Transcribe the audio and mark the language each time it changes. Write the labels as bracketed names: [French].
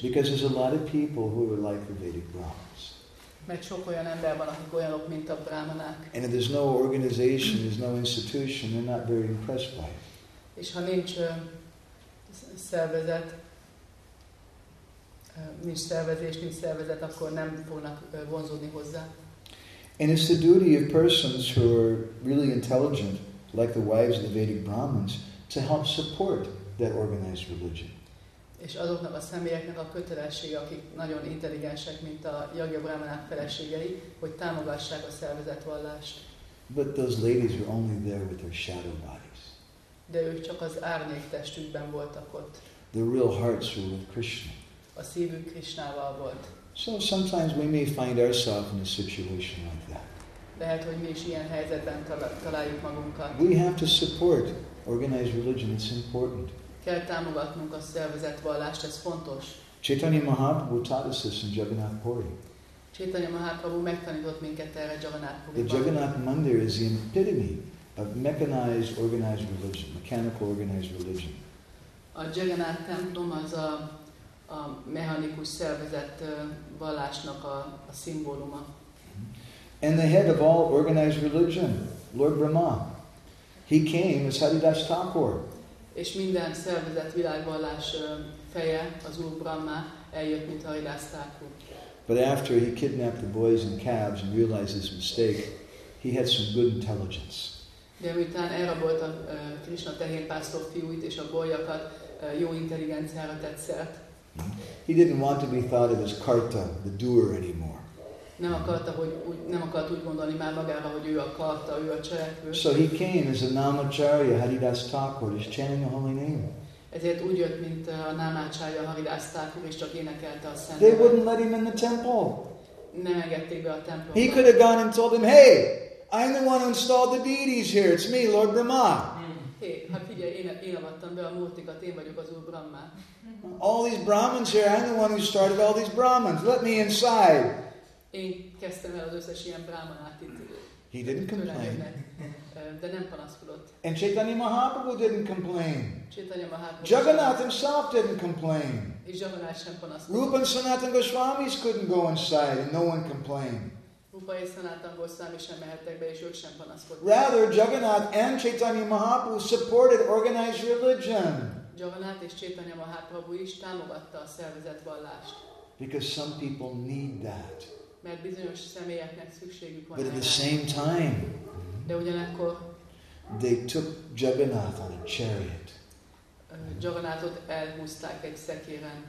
[English] Because there's a lot of people who are like the Vedic Brahmins. [Hungarian] Mert sok olyan ember van, akik olyanok, mint a brahmanák. [English] And if there's no organization, there's no institution, they're not very impressed by it. [Hungarian] És ha nincs szervezet, nincs szervezet, akkor nem fognak vonzódni hozzá. [English] And it's the duty of persons who are really intelligent, like the wives of the Vedic Brahmins, to help support that organized religion. [Hungarian] És azoknak a személyeknek a kötelessége, akik nagyon intelligensek, mint a Yajna Brahmanák feleségei, hogy támogassák a szervezetvallást. [English] But those ladies were only there with their shadow bodies. [Hungarian] De ők csak az árnyék testükben voltak ott. [English] Their real hearts were with Krishna. [Hungarian] A szívük Krishnával volt. [English] So sometimes we may find ourselves in a situation like that. [Hungarian] Lehet, hogy mi is ilyen helyzetben találjuk magunkat. [English] We have to support organized religion. It's important. [Hungarian] Kell támogatnunk a szervezett vallást. Ez fontos. [English] Chaitanya Mahaprabhu taught us this in Jagannath Puri. [Hungarian] Chaitanya Mahaprabhu megtanított minket erre Jagannath Puriban. [English] The Jagannath Mandir is the epitome of mechanized organized religion, mechanical organized religion. [Hungarian] A Jagannath templom az a mechanikus szervezett vallásnak a szimbóluma. [English] And the head of all organized religion, Lord Brahma, he came as Haridas Thakur. [Hungarian] És minden szervezett világvallás feje, az Úr Brahma, eljött, mint Haridas Thakur. [English] But after he kidnapped the boys and calves and realized his mistake, he had some good intelligence. [Hungarian] De miután elrabolt a Krishna tehénpásztor fiúit és a bolyakat, jó intelligenciára tett szert. [English] He didn't want to be thought of as Karta, the doer anymore. [Hungarian] nem akart úgy gondolni már magára, hogy ő akarta, ő a cselekvő. [English] So he came as a Namacharya Haridas Thakur, is chanting the holy name. [Hungarian] Ezért úgy jött, mint a Namacharya Haridas Thakur, és csak énekelte a szent. [English] They wouldn't let him in the temple. [Hungarian] Nem engedték be a templomba. [English] He could have gone and told them, hey, I'm the one who installed the deities here. It's me, Lord Brahma. [Hungarian] Hey, figyelj, én avattam be a múltikat, én vagyok az Úr Brahma. [English] All these Brahmins here, I'm the one who started all these Brahmins. Let me inside. [Hungarian] Én kezdtem el az összes ilyen brahmanát itt. [English] He didn't complain. [Hungarian] De nem panaszkodott. [English] And Chaitanya Mahaprabhu didn't complain. [Hungarian] Chaitanya Mahaprabhu. [English] Jagannath himself didn't complain. [Hungarian] És Jagannath sem panaszkodott. [English] Rupa and Sanatan Goswamis couldn't go inside and no one complained. [Hungarian] Rupa és Sanatan Goswami sem mehettek be, és ők sem panaszkodtak. [English] Rather, Jagannath and Chaitanya Mahaprabhu supported organized religion. [Hungarian] Jagannath és Chaitanya Mahaprabhu is támogatta a szervezett vallást. [English] Because some people need that. [Hungarian] Mert bizonyos személyeknek szükségük van. [English] But at the same time, [Hungarian] de ugyanakkor, [English] they took Jagannath on a chariot. [Hungarian] Jagannathot elhúzták egy szekéren.